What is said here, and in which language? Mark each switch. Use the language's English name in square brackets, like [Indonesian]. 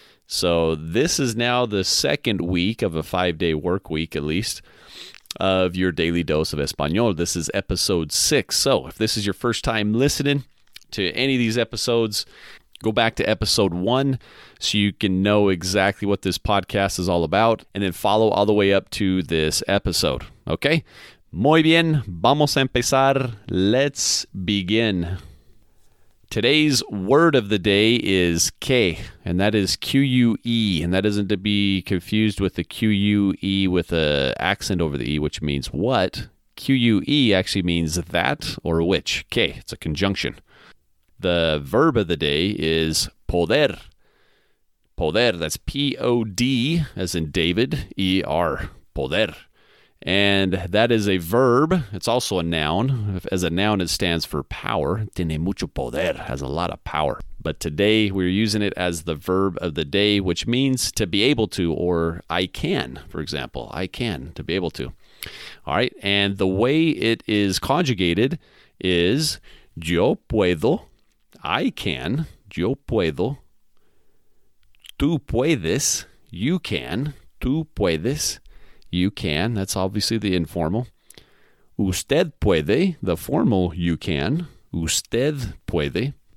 [English] So this is now the second week of a 5-day work week, at least, of your daily dose of español. This is episode 6. So if this is your first time listening to any of these episodes, go back to episode 1 so you can know exactly what this podcast is all about, and then follow all the way up to this episode, okay? [Spanish] Muy bien, vamos a empezar. [English] Let's begin. Today's word of the day is K, and that is Q-U-E, and that isn't to be confused with the Q-U-E with a accent over the E, which means what. Q-U-E actually means that or which. K, it's a conjunction. The verb of the day is poder. Poder, that's P-O-D, as in David, E-R, poder. And that is a verb. It's also a noun. As a noun, it stands for power. [Spanish] Tiene mucho poder, [English] has a lot of power. But today, we're using it as the verb of the day, which means to be able to, or I can, for example. I can, to be able to. All right, and the way it is conjugated is [Spanish] yo puedo. [English] I can, [Spanish] yo puedo, tú puedes, [English] you can, [Spanish] tú puedes, [English] you can, that's obviously the informal, [Spanish] usted puede, [English] the formal you can, usted puede,